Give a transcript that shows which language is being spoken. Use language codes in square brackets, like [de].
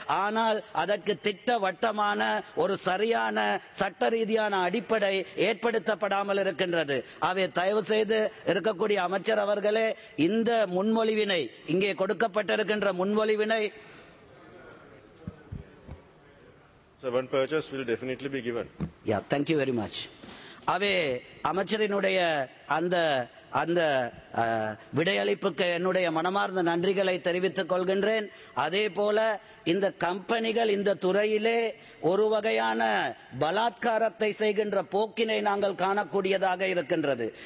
[ta] ஆனால் அதற்கு திட்டவட்டமான ஒரு சரியான சட்ட ரீதியான அடிப்படை ஏற்படுத்தப்படாமல் இருக்கின்றது. அவை தயவு செய்து இருக்கக்கூடிய அமைச்சர் அவர்களே இந்த முன்மொழிவினை இங்கே கொடுக்கப்பட்டிருக்கின்ற முன்மொழிவினை [en] 7% will definitely be given. Yeah, thank you very much. [ta] அவே அமைச்சரினுடைய அந்த அந்த விடையளிப்புக்கு என்னுடைய மனமார்ந்த நன்றிகளை தெரிவித்துக் கொள்கின்றேன். அதே போல இந்த கம்பெனிகள் இந்த துறையிலே ஒரு வகையான பலாத்காரத்தை செய்கின்ற போக்கினை நாங்கள் காணக்கூடியதாக இருக்கின்றது.